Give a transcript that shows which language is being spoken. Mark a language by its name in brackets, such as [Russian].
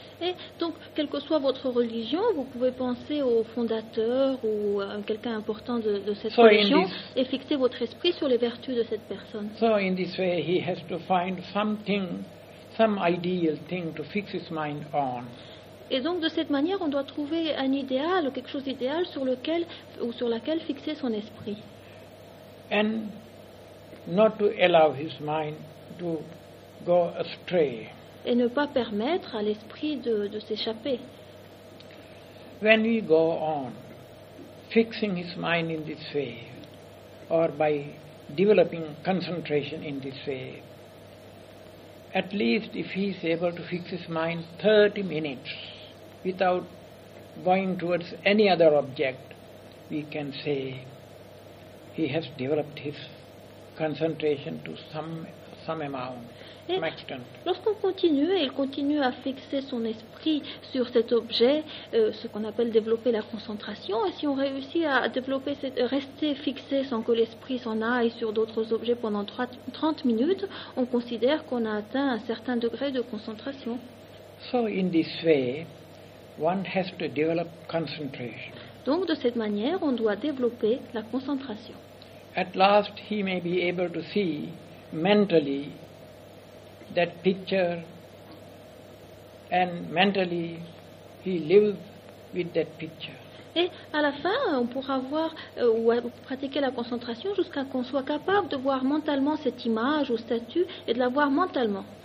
[French] Et donc, quelle que soit votre religion, vous pouvez penser au fondateur ou à quelqu'un important de cette religion et fixer votre esprit sur les vertus de cette personne. [English] So in this way, he has to find something, some ideal thing to fix his mind on. [French] Et donc, de cette manière, on doit trouver un idéal, quelque chose d'idéal sur lequel ou sur laquelle fixer son esprit. [English] And not to allow his mind to go astray. [French] Et ne pas permettre à l'esprit de s'échapper. [English] When we go on fixing his mind in this way, or by developing concentration in this way, at least if he is able to fix his mind 30 minutes without going towards any other object, we can say he has developed his concentration to some amount. [French] Lorsqu'on continue et il continue à fixer son esprit sur cet objet, ce qu'on appelle développer la concentration, et si on réussit à développer rester fixé sans que l'esprit s'en aille sur d'autres objets pendant 30 minutes, on considère qu'on a atteint un certain degré de concentration. [English] So in this way, one has to develop concentration. [French] Donc de cette manière, on doit développer la concentration. [English] At last, he may be able to see mentally that picture, and mentally he lives with that picture. [French] Et à la fin, on pourra voir ou pratiquer la concentration jusqu'à qu'on soit capable de voir mentalement cette image ou statue et de la voir mentalement.